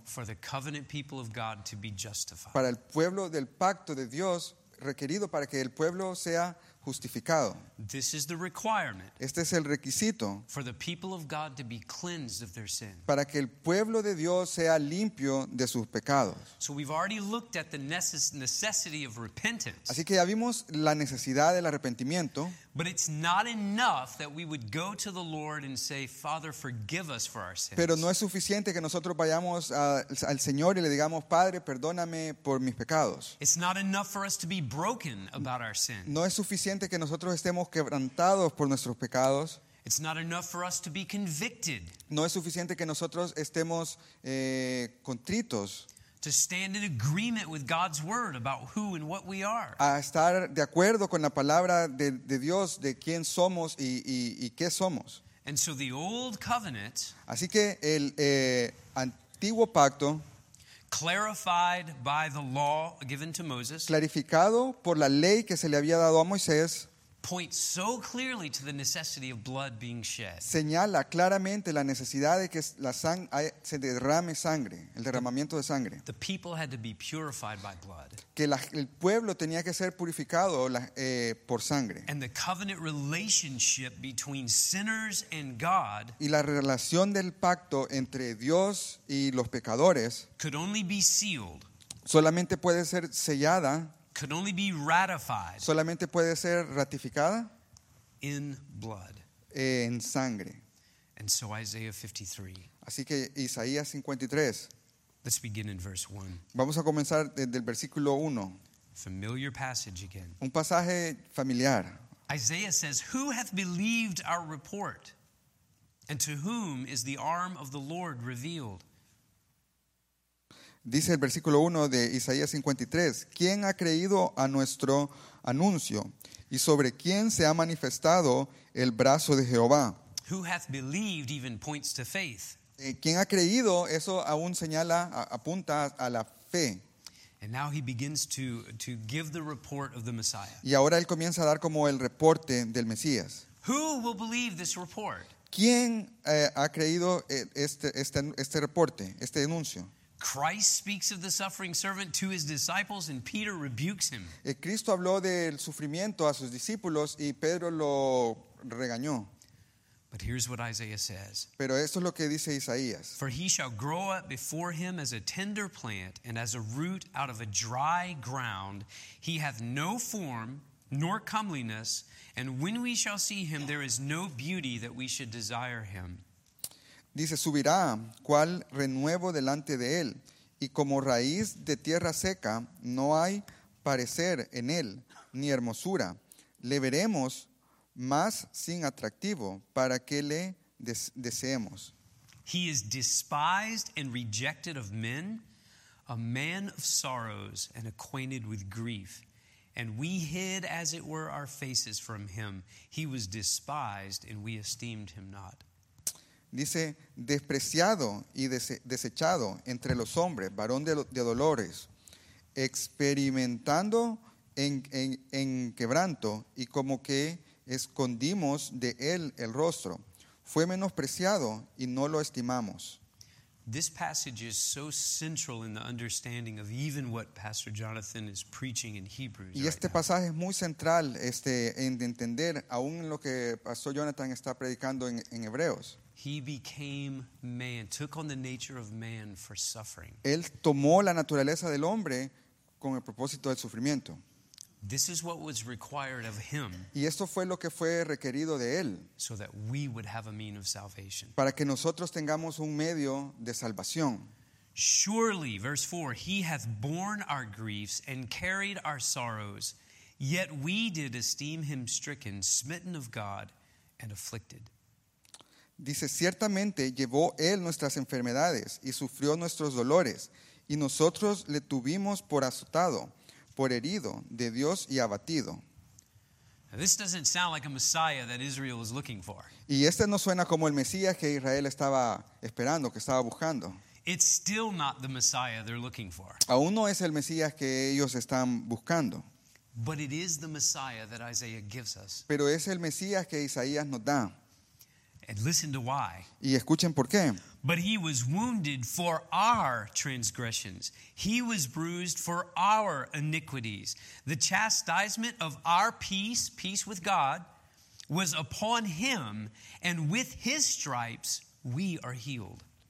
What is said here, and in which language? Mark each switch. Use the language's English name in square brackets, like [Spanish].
[English] for the covenant people of God to be justified. [Spanish] Para el pueblo del pacto de Dios, requerido para que el pueblo sea justificado. [English] This is the requirement. [Spanish] Este es el requisito [English] for the people of God to be cleansed of their sins. [Spanish] Para que el pueblo de Dios sea limpio de sus pecados. [English] So we've already looked at the necessity of repentance. [Spanish] Así que ya vimos la necesidad del arrepentimiento. [English] But it's not enough that we would go to the Lord and say, "Father, forgive us for our sins." [Spanish] Pero no es suficiente que nosotros vayamos al Señor y le digamos, "Padre, perdóname por mis pecados." [English] It's not enough for us to be broken about our sins. [Spanish] No es suficiente que nosotros estemos quebrantados por nuestros pecados. [English] It's not enough for us to be convicted. [Spanish] No es suficiente que nosotros estemos contritos. [English] To stand in agreement with God's word about who and what we are. [Spanish] A estar de acuerdo con la palabra de Dios de quién somos y qué somos. [English] And so the old covenant. [Spanish] Así que el antiguo pacto. [English] Clarified by the law given to Moses. [Spanish] Clarificado por la ley que se le había dado a Moisés. [English] points so clearly to the necessity of blood being shed. [Spanish] Señala claramente la necesidad de que la sangre se derrame sangre, el derramamiento de sangre. [English] The people had to be purified by blood. [Spanish] Que el pueblo tenía que ser purificado por sangre. [English] And the covenant relationship between sinners and God. [Spanish] Y la relación del pacto entre Dios y los pecadores. [English] Could only be sealed. [Spanish] Solamente puede ser sellada. [English] Could only be ratified. [Spanish] Solamente puede ser ratificada. [English] In blood. [Spanish] En sangre. [English] And so Isaiah 53. [Spanish] Así que Isaías 53. [English] Let's begin in verse 1. [Spanish] Vamos a comenzar desde el versículo 1. [English] Familiar passage again. [Spanish] Un pasaje familiar. [English] Isaiah says, "Who hath believed our report? And to whom is the arm of the Lord revealed?" [Spanish] Dice el versículo 1 de Isaías 53, ¿quién ha creído a nuestro anuncio? ¿Y sobre quién se ha manifestado el brazo de Jehová? [English] Who hath believed even points to faith. [Spanish] ¿Quién ha creído? Eso aún señala, apunta a la fe. [English] And now he begins to give the report of the Messiah. [Spanish] Y ahora él comienza a dar como el reporte del Mesías. [English] Who will believe this report? [Spanish] ¿Quién ha creído este reporte, este anuncio? [English] Christ speaks of the suffering servant to his disciples, and Peter rebukes him. [Spanish] Cristo habló del sufrimiento a sus discípulos y Pedro lo regañó. [English] But here's what Isaiah says. [Spanish] Pero esto es lo que dice Isaías. [English] For he shall grow up before him as a tender plant and as a root out of a dry ground. He hath no form nor comeliness, and when we shall see him, there is no beauty that we should desire him. [Spanish] Dice, subirá cual renuevo delante de él, y como raíz de tierra seca no hay parecer en él, ni hermosura. Le veremos más sin atractivo para que le deseemos. [English] He is despised and rejected of men, a man of sorrows and acquainted with grief. And we hid as it were our faces from him. He was despised and we esteemed him not. [Spanish] Dice, despreciado y desechado entre los hombres, varón de dolores, experimentando en quebranto y como que escondimos de él el rostro. Fue menospreciado y no lo estimamos. [English] This passage is so central in the understanding of even what Pastor Jonathan is preaching in Hebrews. [Spanish] Y este pasaje es muy central en entender aún lo que Pastor Jonathan está predicando en Hebreos. [English] He became man, took on the nature of man for suffering. [Spanish] Él tomó la naturaleza del hombre con el propósito del sufrimiento. [English] This is what was required of him. [Spanish] Y esto fue lo que fue requerido de él. [English] So that we would have a mean of salvation. [Spanish] Para que nosotros tengamos un medio de salvación. [English] Surely, verse 4, he hath borne our griefs and carried our sorrows, yet we did esteem him stricken, smitten of God, and afflicted. [Spanish] Dice, ciertamente llevó él nuestras enfermedades y sufrió nuestros dolores, y nosotros le tuvimos por azotado, por herido de Dios y abatido. [English] This doesn't sound like a Messiah that Israel was looking for. [Spanish] Y este no suena como el Mesías que Israel estaba esperando, que estaba buscando. [English] It's still not the Messiah they're looking for. [Spanish] Aún no es el Mesías que ellos están buscando. [English] But it is the Messiah that Isaiah gives us. [Spanish] Pero es el Mesías que Isaías nos da. [English] And listen to why. [Spanish] Y escuchen por qué. [English] But he was wounded for our transgressions. He was bruised for our iniquities. The chastisement of our peace, peace with God, was upon him, and with his stripes we are healed.